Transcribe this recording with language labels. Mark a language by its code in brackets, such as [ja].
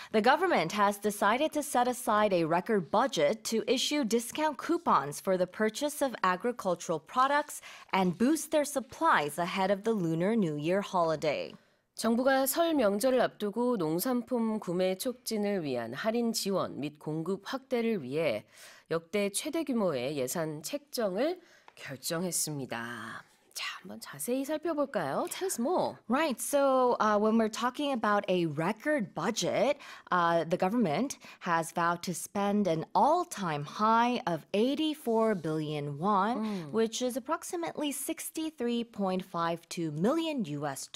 [en] The government has decided to set aside a record budget to issue discount coupons for the purchase of agricultural products and boost their supplies ahead of the Lunar New Year holiday. [ko] 정부가 설 명절을 앞두고 농산품 구매 촉진을 위한 할인 지원 및 공급 확대를 위해 역대 최대 규모의 예산 책정을 결정했습니다. 자, 한번 자세히 살펴볼까요? [en] Tell us more. Right. So when we're talking about a record budget, the government has vowed to spend an all-time high of 84 billion won, which is approximately 63.52 million U.S.